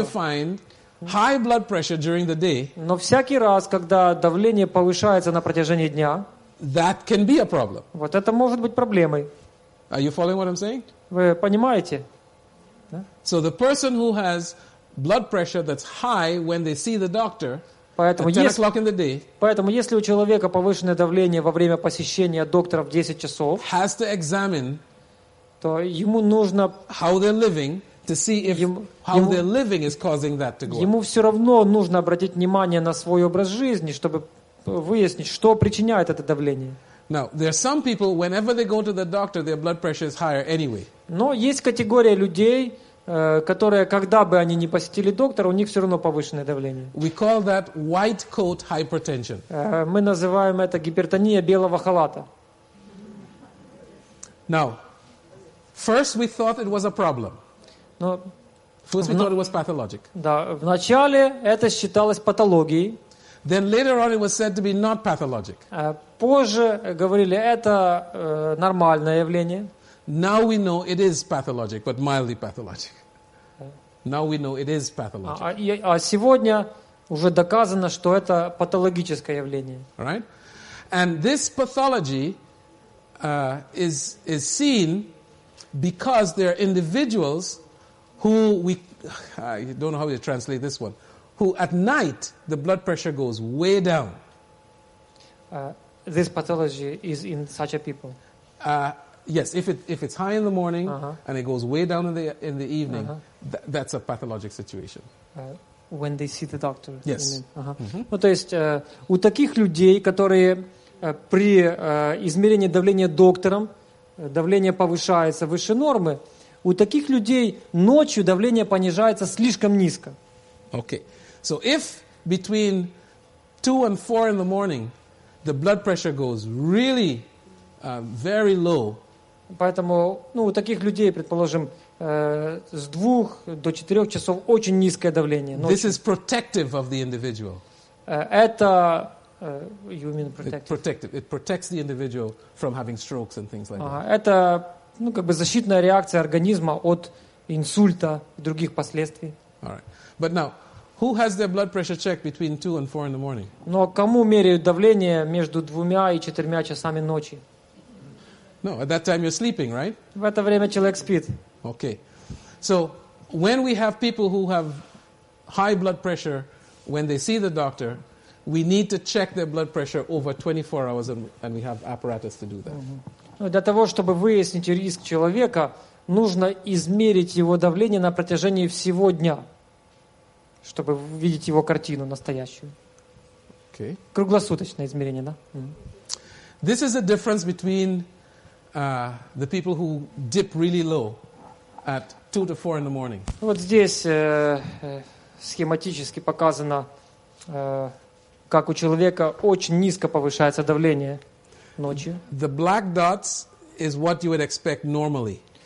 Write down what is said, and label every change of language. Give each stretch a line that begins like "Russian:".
English: Anytime you find high blood pressure during the day,
Russian: но всякий раз, когда давление повышается на протяжении дня,
English: that can be a problem.
Russian: Вот это может быть проблемой.
English: Are you following what I'm saying?
Russian: Вы понимаете?
English: So the person who has blood pressure that's high when they see the doctor at 10 o'clock in the day,
Russian: поэтому если у человека повышенное давление во время посещения доктора в 10 часов,
English: has to examine,
Russian: то ему нужно
English: how they're living to see if how they're living is causing that to go.
Russian: Ему все равно нужно обратить внимание на свой образ жизни, чтобы выяснить, что причиняет это давление.
English: Now, there are some people, whenever they go to the doctor, their blood pressure is higher anyway.
Russian: Но есть категория людей, которые, когда бы они ни посетили доктора, у них все равно повышенное давление.
English: We call that white coat hypertension.
Russian: Мы называем это гипертония белого халата.
English: Now, first we thought it was a problem. First we thought it was pathologic.
Russian: Да, вначале это считалось патологией.
English: Then later on it was said to be not pathologic.
Russian: Позже говорили, это нормальное явление.
English: Now we know it is pathologic, but mildly pathologic. Now we know it is pathologic.
Russian: А сегодня уже доказано, что это патологическое явление.
English: Right? And this pathology is seen because there are individuals who I don't know how to translate this one. Who at night the blood pressure goes way down. This pathology is in such a people. Yes, if it's high in the morning and it goes way down in the evening, that's a pathologic situation. When they see the doctor. Yes.
Russian: Ну то есть у таких людей, которые при измерении давления доктором давление повышается выше нормы, у таких людей ночью давление понижается слишком низко.
English: Okay. So if between 2 and 4 in the morning the blood pressure goes really very low.
Russian: Поэтому, ну, у таких людей, предположим, с 2 до 4 часов очень низкое давление.
English: This is protective of the individual.
Russian: Это
English: you mean protective. It protects the individual from having strokes and things like that.
Russian: Это, ну, как бы защитная реакция организма от инсульта и других последствий.
English: All right. But now Who has their blood pressure checked between 2 and 4 in the morning?
Russian: Но кому меряют давление между 2 и 4 часами ночи?
English: No, at that time you're sleeping, right?
Russian: В это время человек спит.
English: Okay. So, when we have people who have high blood pressure, when they see the doctor, we need to check their blood pressure over 24 hours and we have apparatus to do that.
Russian: Ну, для того, чтобы выяснить риск человека, нужно измерить его давление на протяжении всего дня, чтобы видеть его картину настоящую.
English: Okay.
Russian: Круглосуточное измерение, да? Mm-hmm.
English: This is the difference between the people who dip really low at 2 to 4 in the morning.
Russian: Вот здесь схематически показано, как у человека очень низко повышается давление ночью.
English: The black dots is what you would expect normally.